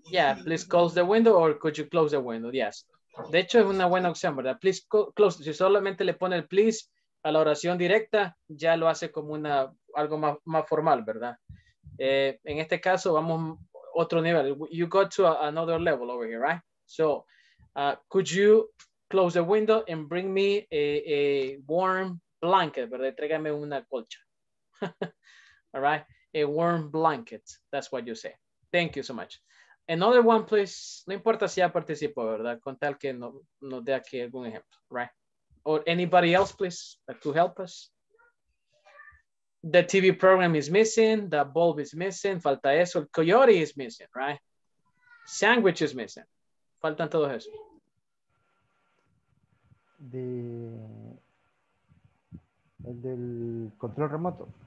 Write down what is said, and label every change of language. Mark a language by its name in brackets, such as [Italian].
[English] Yeah, please close the window or could you close the window? [Spanish] Yes. De hecho, es una buena opción, ¿verdad? [English] Please close. [Spanish] Si solamente le pone el please a la oración directa, ya lo hace como una algo más, más formal, ¿verdad? En este caso, vamos otro nivel. [English] You got to another level over here, right? So, could you close the window and bring me a warm blanket, ¿verdad? [Spanish] Tráigame una colcha. [English] All right? A warm blanket. That's what you say. Thank you so much. Another one, please. [Spanish] No importa si ya participo, ¿verdad? Con tal que no dé aquí algún ejemplo, right? [English] Or anybody else, please, that could help us. The TV program is missing. The bulb is missing. [Spanish] Falta eso. [English] El coyote is missing, right? Sandwich is missing. [Spanish] Faltan todos esos. El del control remoto.